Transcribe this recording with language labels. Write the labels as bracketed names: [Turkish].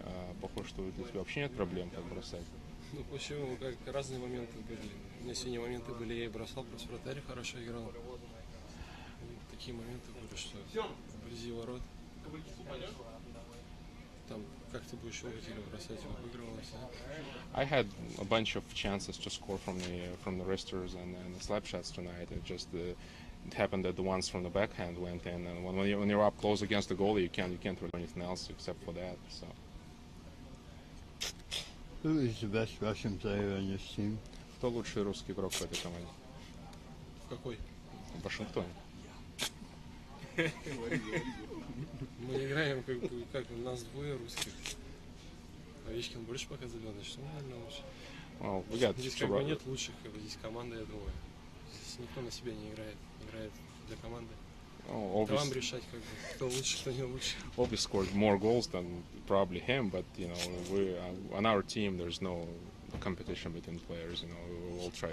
[Russian] А похоже, что у тебя вообще нет проблем так бросать. Ну почему? Как разные моменты были. У меня сегодня моменты были, я и бросал против вратаря, хорошо играл. И такие моменты были, что вблизи ворот. Там как ты будешь уходить или бросать, выигрывался. [English] I had a bunch of chances to score from the wristers and the slap shots tonight. It just It happened that the ones from the backhand went in, and when you're up close against the goalie, you can't do anything else except for that. So, who is the best Russian player on your team? [Russian] Кто лучший русский игрок в этой команде? Какой? В Вашингтоне. Мы играем как у нас двое русских. Овечкин больше пока зеленый, что наверное лучше. [English] Well, we got [Russian] здесь как бы нет лучших, как бы здесь команда, я думаю. Здесь никто на себя не играет. [English] Obi scored more goals than probably him, but you know, we on our team there's no competition between players. You know, we all try.